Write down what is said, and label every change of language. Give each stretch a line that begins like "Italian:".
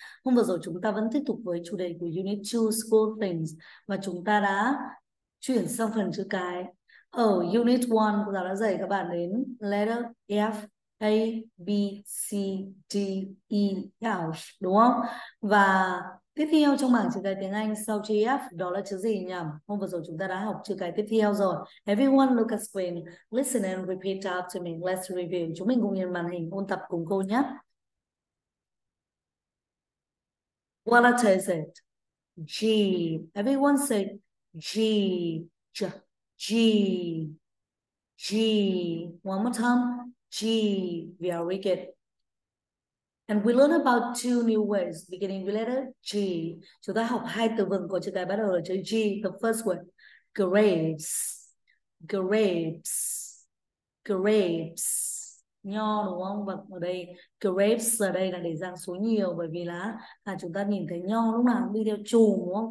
Vietnamese: Hôm vừa rồi chúng ta vẫn tiếp tục với chủ đề của Unit 2 School Things và chúng ta đã chuyển sang phần chữ cái. Ở Unit 1, cô giáo đã dạy các bạn đến letter F, A, B, C, D, E, F, đúng không? Và tiếp theo trong bảng chữ cái tiếng Anh sau chữ F đó là chữ gì nhỉ? Hôm vừa rồi chúng ta đã học chữ cái tiếp theo rồi.
English: Everyone look at screen, listen and repeat after me. Let's review.
Vietnamese: Chúng mình cùng nhìn màn hình ôn tập cùng cô nhé.
English: What is it? G. Everyone say G. G. G. One more time. G. Very good. And we learn about two new words beginning with letter G.
Vietnamese: Chúng ta học hai từ vựng của chữ cái bắt đầu là chữ G.
English: The first word, grapes. Grapes. Grapes.
Vietnamese: Nho đúng không? Và ở đây, grapes ở đây là để dạng số nhiều bởi vì là chúng ta nhìn thấy nho lúc nào cũng đi theo chùm đúng không?